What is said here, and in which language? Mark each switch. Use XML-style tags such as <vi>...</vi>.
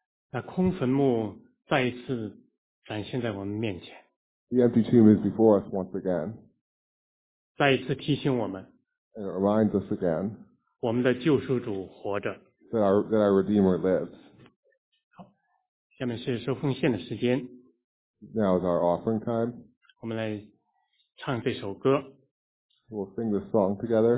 <zh>那空坟墓再一次展现在我们面前。</zh> <en>The empty tomb is before us once again.</en> <zh>再一次提醒我们。</zh> <en>And it reminds us again.</en> <zh>我们的救赎主活着。</zh> <en>That our Redeemer lives.</en> <zh>好，下面是收奉献的时间。</zh> <en>Now is our offering time.</en> <zh>我们来唱这首歌。</zh> <en>We'll sing this song together.</en>